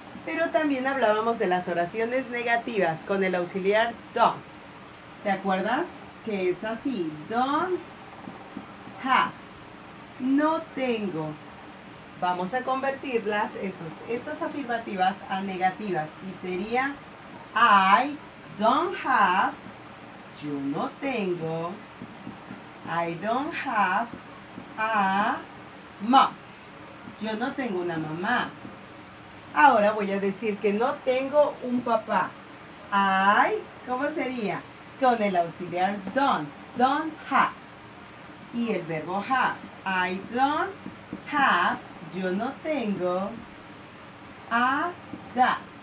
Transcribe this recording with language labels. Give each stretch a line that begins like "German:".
Spanish: Pero también hablábamos de las oraciones negativas con el auxiliar don't. ¿Te acuerdas? Que es así.
English: Don't have.
Spanish: No tengo. Vamos a convertirlas, entonces, estas afirmativas a negativas. Y sería
English: I don't have.
Spanish: Yo no tengo,
English: I don't have a mom.
Spanish: Yo no tengo una mamá. Ahora voy a decir que no tengo un papá. I, ¿cómo sería? Con el auxiliar don't have. Y el verbo have,
English: I don't have,
Spanish: yo no tengo a dad.